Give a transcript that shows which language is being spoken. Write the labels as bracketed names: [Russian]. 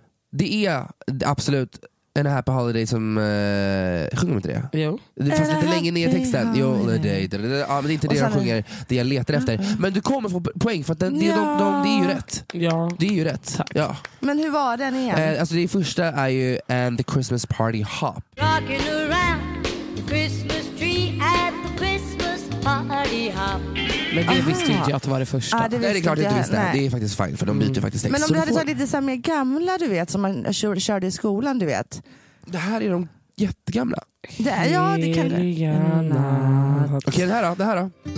[Swedish] Det är absolut en happy holiday som sjunger med det. Jo. Det fanns lite länge ner i texten. Jo, holiday. Ja, men det är inte det jag sjunger, det jag letar efter. Men du kommer få poäng för att den, ja. Det är ju rätt. Ja. Det är ju rätt. Tack. Ja. Men hur var den igen? Alltså det första är ju And the Christmas Party Hop. [English] Rocking around the Christmas tree at the Christmas Party Hop. [Swedish] Men det visste inte jag att det var det första. Ah, det nej, det är klart att du inte visste. Det är faktiskt fine, för de byter ju faktiskt text. Men om du hade tagit lite samma gamla, du vet, som man körde i skolan, du vet. Det här är de jättegamla. Det är, ja, det kan du. Okej, det här då? Det här då?